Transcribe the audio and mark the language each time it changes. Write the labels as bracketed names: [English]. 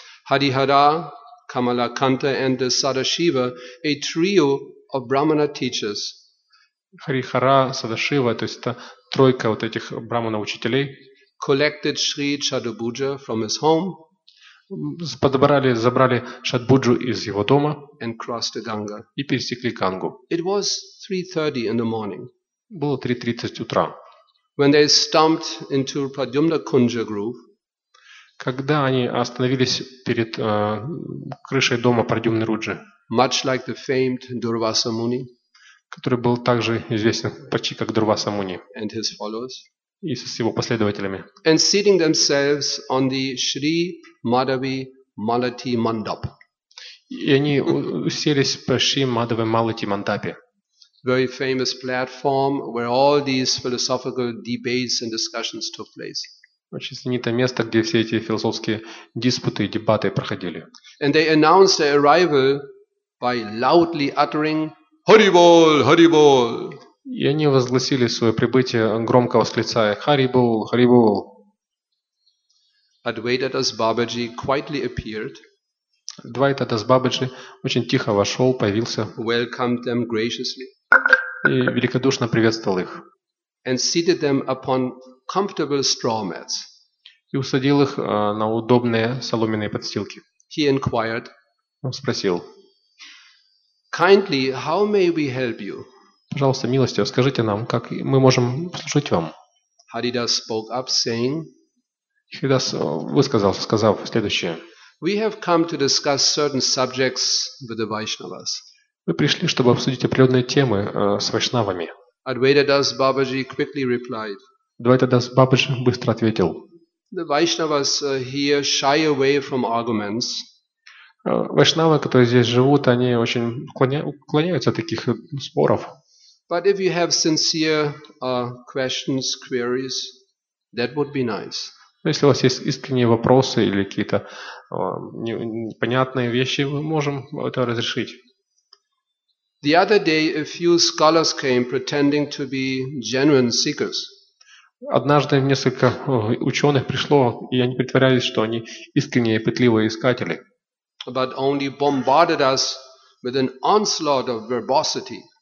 [English] Hadihara, Kamalakanta and the Sadashiva, a trio of Brahmana teachers. [Russian] Харихара, Садашива, то есть это тройка вот этих брахмана-учителей. [English] Collected Sri Chadabuja from his home. [Russian] Забрали Шатбуджу из его дома. [English] And crossed the Ganga. [Russian] И пересекли Гангу. [English] It was 3:30 in the morning. [Russian] Было 3:30 утра. [English] When they stumped into Pradyumna Kunja Grove. [Russian] Когда они остановились перед крышей дома Прадюмны Руджи. [English] Much like the famed Durvasa Muni. [Russian] Который был также известен почти как Дурваса Муни. [English] And his followers. [Russian] И с его последователями. [English] And seating themselves on the Shri Madhavi Malati Mandap. [Russian] И они уселись по Шри Мадхави Малати Мандапе. [English] Very famous platform where all these philosophical debates and discussions took place. [Russian] Очень знаменитое место, где все эти философские диспуты и дебаты проходили. [English] And they announced their arrival by loudly uttering Hari Bol, Hari Bol. [Russian] И они возгласили свое прибытие, громко восклицая Hari Bol, Hari Bol. [English] Advaita Das Babaji quietly appeared. [Russian] Advaita Das Babaji очень тихо вошел, появился. [English] Welcomed them graciously. [Russian] И великодушно приветствовал их. [English] And seated them upon comfortable straw mats. [Russian] И усадил их на удобные соломенные подстилки. [English] He inquired. [Russian] Он спросил. [English] Kindly, how may we help you? [Russian] Пожалуйста, милостиво, скажите нам, как мы можем служить вам? [English] Haridas spoke up, saying. [Russian] Haridas сказав следующее. [English] We have come to discuss certain subjects with the Vaishnavas. [Russian] Мы пришли, чтобы обсудить определенные темы с вайшнавами. [English] Advaita Das Babaji quickly replied. [Russian] Advaita Das Babaji быстро ответил. [English] The Vaishnavas here shy away from arguments. [Russian] Вайшнавы, которые здесь живут, они очень уклоняются от таких споров. [English] But if you have sincere questions, queries, that would be nice. [Russian] Но если у вас есть искренние вопросы или какие-то непонятные вещи, мы можем это разрешить. [English] The other day a few scholars came pretending to be genuine seekers. [Russian] Однажды несколько ученых пришло, и они притворялись, что они искренние и пытливые искатели. [English] But only bombarded us with an onslaught of verbosity.